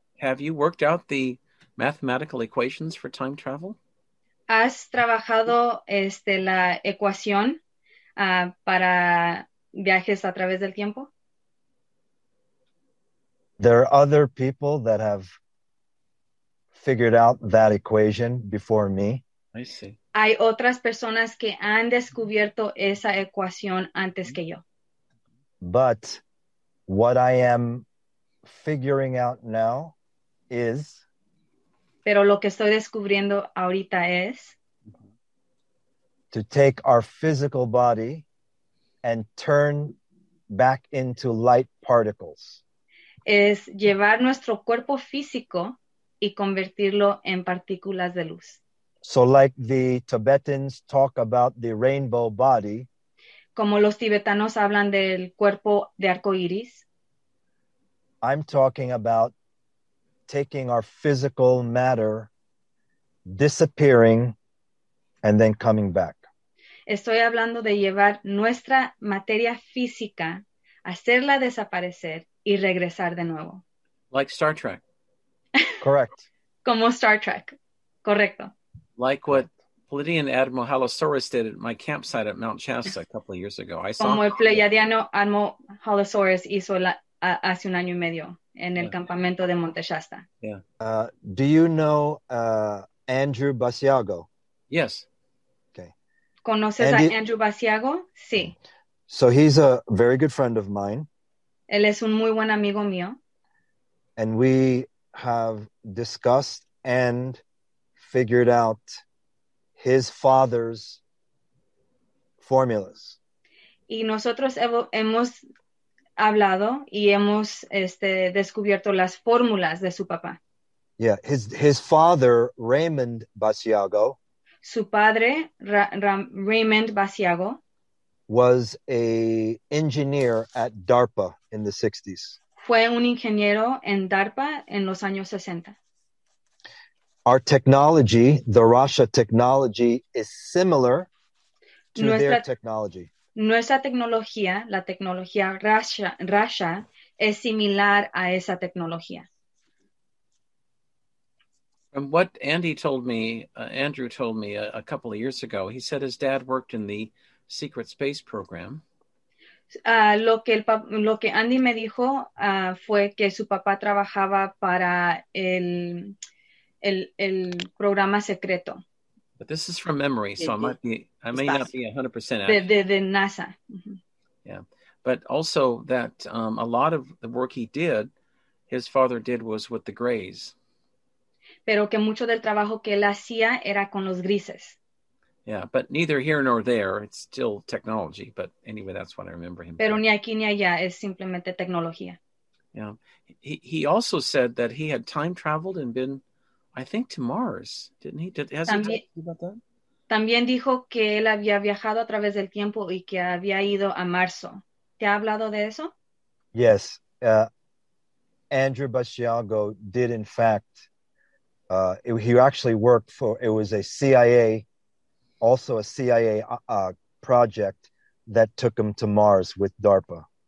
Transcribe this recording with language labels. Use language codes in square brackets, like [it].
[en] Have you worked out the mathematical equations for time travel? [es] ¿Has trabajado la ecuación para viajes a través del tiempo? [en] There are other people that have figured out that equation before me. I see. [es] Hay otras personas que han descubierto esa ecuación antes que yo. [en] But what I am figuring out now is... [es] Pero lo que estoy descubriendo ahorita es... [en] To take our physical body and turn back into light particles. [es] Es llevar nuestro cuerpo físico y convertirlo en partículas de luz. [en] So like the Tibetans talk about the rainbow body. [es] Como los tibetanos hablan del cuerpo de arco iris. [en] I'm talking about taking our physical matter, disappearing, and then coming back. [es] Estoy hablando de llevar nuestra materia física, hacerla desaparecer y regresar de nuevo. [en] Like Star Trek. Correct. [es] Como Star Trek. Correcto. [en] Like what Pleiadian Admiral Halosaurus did at my campsite at Mount Shasta a couple of years ago. I saw [es] como el Pleiadiano Admiral Halosaurus hizo hace un año y medio en el campamento de Monte Shasta. [en] Yeah. Do you know Andrew Basiago? Yes. Okay. [es] ¿Conoces a Andrew Basiago? Sí. [en] So he's a very good friend of mine. [es] Él es un muy buen amigo mío. [en] And we have discussed and figured out his father's formulas. [es] Y nosotros hemos hablado y hemos descubierto las fórmulas de su papá. [en] Yeah, his father, Raymond Basiago. [es] Su padre, Raymond Basiago. [en] Was a engineer at DARPA in the 60s. [es] Fue un ingeniero en DARPA en los años 60. [en] Our technology, the Rasha technology, is similar to their technology. [es] Nuestra tecnología, la tecnología Rasha, es similar a esa tecnología. [en] And what Andrew told me a couple of years ago, he said his dad worked in the secret space program. [es] Lo que Andy me dijo fue que su papá trabajaba para el programa secreto. [en] But this is from memory, so I may not be 100% accurate. [es] De NASA. Mm-hmm. [en] Yeah, but also that a lot of the work he did, his father did, was with the grays. [es] Pero que mucho del trabajo que él hacía era con los grises. [en] Yeah, but neither here nor there. It's still technology, but anyway, that's what I remember him. [es] Pero ni aquí ni allá, es simplemente tecnología. [en] Yeah, he also said that he had time traveled and been, I think, to Mars, didn't he? Hasn't he talked to you about that? [es] También dijo que él había viajado a través del tiempo y que había ido a Marzo. ¿Te ha hablado de eso? [en] Yes, Andrew Basiago did, in fact. He actually worked for, it was a CIA, also a CIA project that took him to Mars with DARPA.